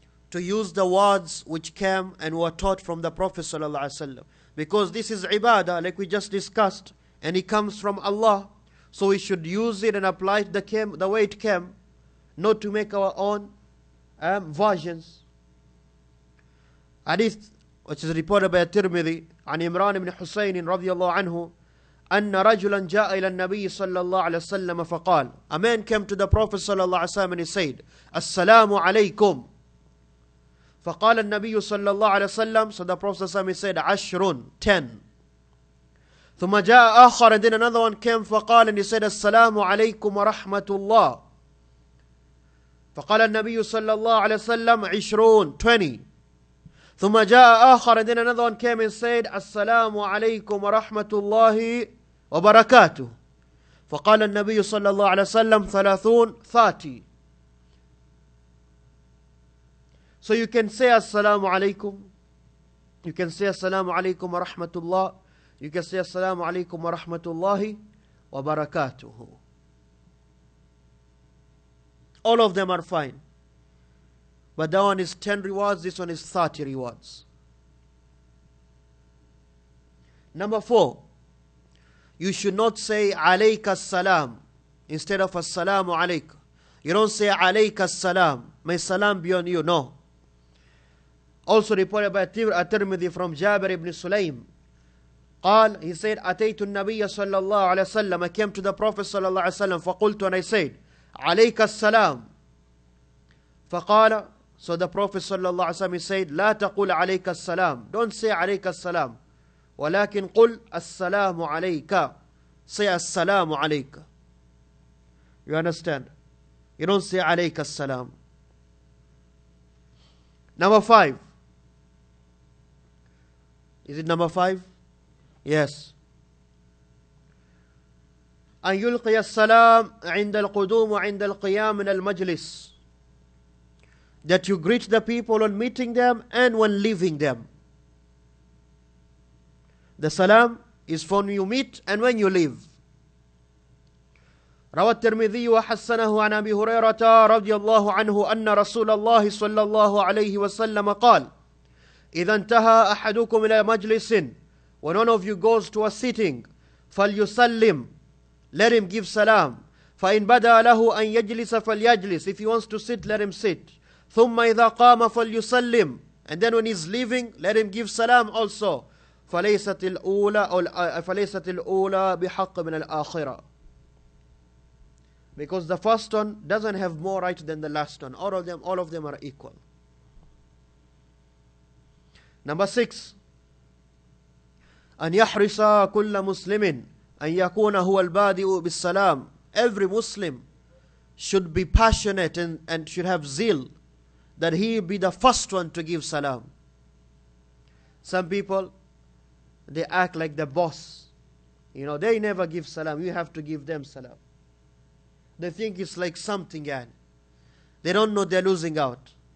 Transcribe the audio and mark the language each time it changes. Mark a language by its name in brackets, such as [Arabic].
[English] To use the words which came and were taught from the Prophet sallallahu alayhi wa sallam. Because this is ibadah, like we just discussed, and it comes from Allah. So we should use it and apply it the way it came. Not to make our own versions. Hadith, which is reported by Tirmidhi, [Arabic] عن Imran ibn Husayn رضي الله عنه, أن رجلا جاء إلى النبي صلى الله عليه وسلم فقال, [English] a man came to the Prophet [Arabic] صلى الله عليه وسلم [English] and he said, [Arabic] السلام عليكم. فقال النبي صلى الله عليه وسلم, [English] so the Prophet [Arabic] صلى الله عليه وسلم [English] said, [Arabic] عشرون, 10. ثم جاء آخر, [English] and then another one came, [Arabic] فقال, [English] and he said, [Arabic] السلام عليكم ورحمة الله. فقال النبي صلى الله عليه وسلم عشرون 20. ثم جاء آخر, [English] and then another one came and said, [Arabic] السلام عليكم ورحمة الله وبركاته. فقال النبي صلى الله عليه وسلم 30 30. [English] So you can say [Arabic] السلام عليكم, [English] you can say [Arabic] السلام عليكم ورحمة الله, you can say السلام عليكم ورحمة الله وبركاته. [English] All of them are fine. But that one is 10 rewards, this one is 30 rewards. Number four, you should not say alayka salam instead of assalamu alayk. You don't say alayka salam, may salam be on you, no. Also reported by At-Tirmidhi from Jabir ibn Sulaym. Qal, he said, ataytu an-nabiyya sallallahu alayhi wa sallam, I came to the Prophet sallallahu alayhi wa sallam, faqultu, and I said, alayka salam. [Arabic] فقال, [English] so the Prophet sallallahu alayhi wa sallam said, [Arabic] لا تقول عليك السلام, [English] don't say [Arabic] عليك السلام, ولكن قل السلام عليك, [English] say [Arabic] السلام عليك. [English] You understand? You don't say عليك السلام. Number five. Is it number five? Yes. [Arabic] أن يلقي السلام عند القدوم وعند القيام من المجلس. [English] That you greet the people on meeting them and when leaving them. The salam is for when you meet and when you leave. [Arabic] روى الترمذي وحسنه عن أبي هريرة رضي الله عنه أن رسول الله صلى الله عليه وسلم قال إذا انتهى أحدكم إلى مجلس, [English] when one of you goes to a sitting, [Arabic] فليسلم, [English] let him give salam. [Arabic] فإن بدأ له أن يجلس فليجلس, [English] if he wants to sit, let him sit. [Arabic] ثم إذا قام فليسلم, [English] and then when he's leaving, let him give salam also. [Arabic] فليست الأولى بحق من الآخرة. [English] Because the first one doesn't have more right than the last one. All of them are equal. Number six. [Arabic] أن يحرص كل مسلم أن يكون هو البادئ بالسلام. [English] Every Muslim should be passionate and should have zeal that he be the first one to give salam. Some people, they act like the boss. You know, they never give salam. You have to give them salam. They think it's like something, and they don't know they're losing out.